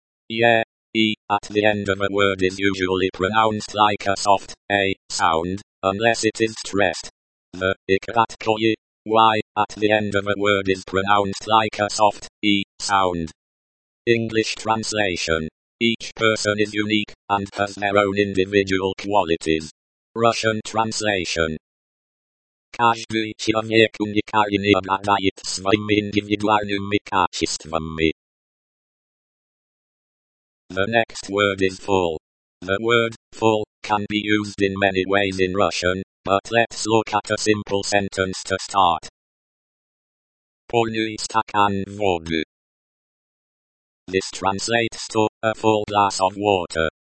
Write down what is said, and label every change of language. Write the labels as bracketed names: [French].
[English] Yeah, e, at the end of a word is usually pronounced like a soft a sound, unless it is stressed. The ikatkoye, y, at the end of a word is pronounced like a soft e sound. English translation. Each person is unique, and has their own individual qualities. Russian translation. [Russian] Каждый человек уникален и обладает своими индивидуальными качествами. [English] The next word is full. The word, full, can be used in many ways in Russian, but let's look at a simple sentence to start. [Russian] Полный стакан воды. [English] This translates to, a full glass of water.